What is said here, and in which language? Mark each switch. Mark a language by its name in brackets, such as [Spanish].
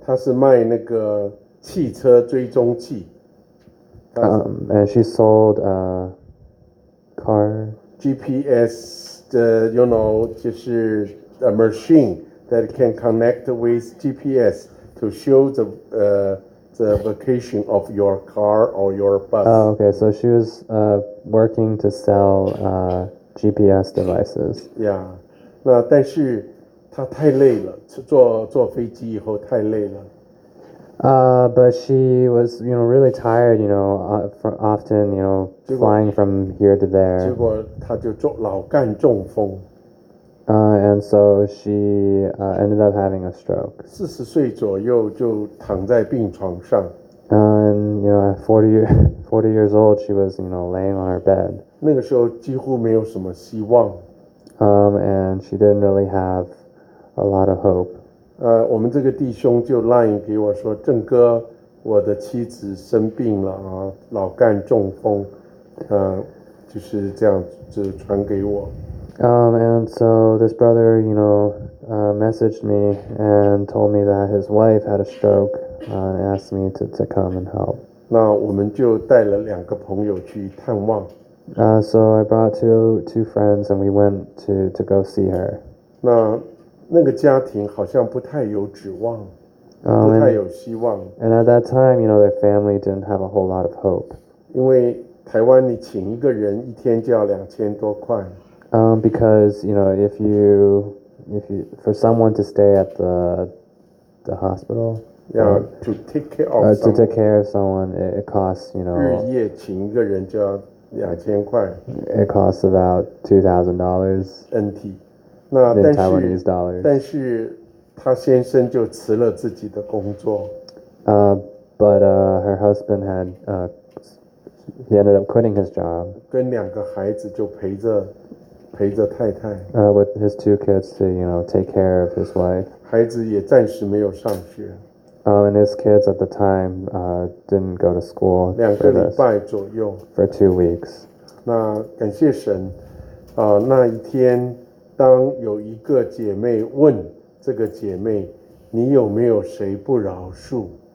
[Chinese] 她是卖那个汽车追踪器。 [English] And she sold a car. GPS, you know, [Chinese] 就是 [English] a machine that can connect with GPS to show the location of your car or your bus. Oh, okay. So she was working to sell GPS devices. Yeah. [Chinese] 那但是她太累了，坐飞机以后太累了。 [English] But she was, you know, really tired, you know, often, you know, flying from here to there. [Chinese] 结果她就老干中风。 [English] And so she ended up having a stroke. [Chinese] 40岁左右就躺在病床上。 [English] And, you know, at 40 years old, she was, you know, laying on her bed. [Chinese] 那个时候几乎没有什么希望。 [English] And she didn't really have a lot of hope. [Chinese] 我们这个弟兄就 line 给我说，郑哥，我的妻子生病了啊，老干中风，就是这样子传给我。 [English] And so this brother, you know, messaged me and told me that his wife had a stroke, and asked me to come and help. [Chinese] 那我们就带了两个朋友去探望。 [English] So I brought two friends and we went to go see her. [Chinese] 那个家庭好像不太有指望。 [English] And at that time, you know, their family didn't have a whole lot of hope. [Chinese] 因为台湾你请一个人一天就要2000多块。 [English] Because, you know, if you, for someone to stay at the hospital. Yeah, to take care of someone. To take care of someone, it costs, you know. [Chinese] 日夜请一个人就要2000块。 [English] It costs about $2,000. [Chinese] NT. 那但是 [English] Taiwanese dollars. [Chinese] 但是他先生就辞了自己的工作。 [English] Her husband had, he ended up quitting his job. [Chinese] 跟两个孩子就陪着太太。 [English] With his two kids to, you know, take care of his wife. [Chinese] 孩子也暂时没有上学。 [English] And his kids at the time, didn't go to school. [Chinese] 两个礼拜左右。 [English] For 2 weeks. [Chinese] 那感谢神，那一天当有一个姐妹问这个姐妹，你有没有谁不饶恕？